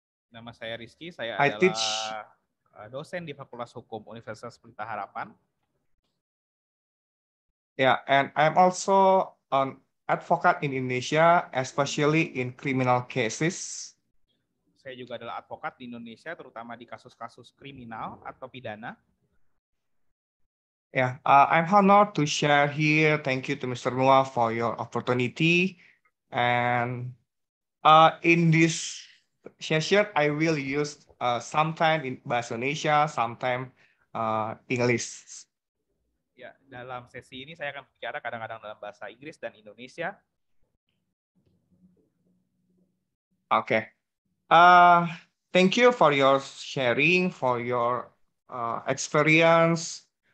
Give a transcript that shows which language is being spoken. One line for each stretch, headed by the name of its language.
Indonesian: Nama saya Rizky, saya adalah dosen di Fakultas Hukum Universitas Pelita Harapan.
English: Yeah, and I'm also an advocate in Indonesia, especially in criminal cases.
Indonesian: Saya juga adalah advokat di Indonesia, terutama di kasus-kasus kriminal atau pidana.
English: Yeah, I'm honored to share here. Thank you to Mr. Noah for your opportunity. And in this session, I will use sometime in Bahasa Indonesia, sometime English.
Indonesian: Ya, dalam sesi ini saya akan berbicara kadang-kadang dalam bahasa Inggris dan Indonesia.
English: Oke. Okay. Thank you for your sharing, for your experience.